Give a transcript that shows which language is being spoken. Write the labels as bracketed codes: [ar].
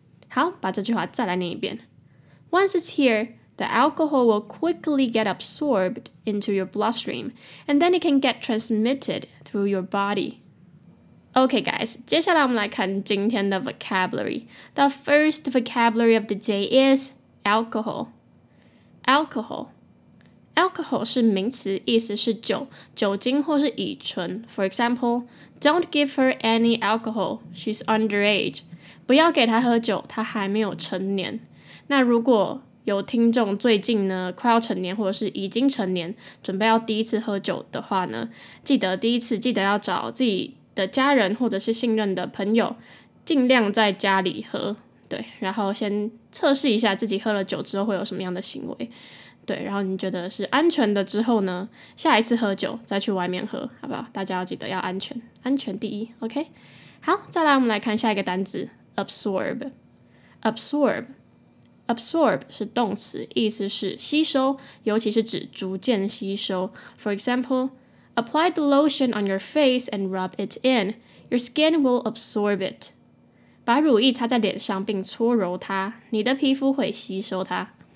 [zh] 好，把这句话再来念一遍。 [en] Once it's hereThe alcohol will quickly get absorbed into your bloodstream, and then it can get transmitted through your body. Okay, guys, [zh] 接下来我们来看今天的 vocabulary. [en] The first vocabulary of the day is alcohol. [zh] Alcohol. Alcohol 是名词，意思是酒，酒精或是乙醇。 [en] For example, don't give her any alcohol, she's underage. [zh] 不要给她喝酒，她还没有成年。那如果有听众最近呢快要成年或者是已经成年准备要第一次喝酒的话呢，记得要找自己的家人或者是信任的朋友，尽量在家里喝，对，然后先测试一下自己喝了酒之后会有什么样的行为，对，然后你觉得是安全的之后呢，下一次喝酒再去外面喝，好不好？大家要记得要安全，安全第一， OK。 好，再来我们来看下一个单字， absorb. Absorb. Absorb 是动词，意思是吸收，尤其是指逐渐吸收。 [en] For example, apply the lotion on your face and rub it in. Your skin will absorb it. [zh] 把乳液擦在脸上并搓揉它，你的皮肤会吸收它。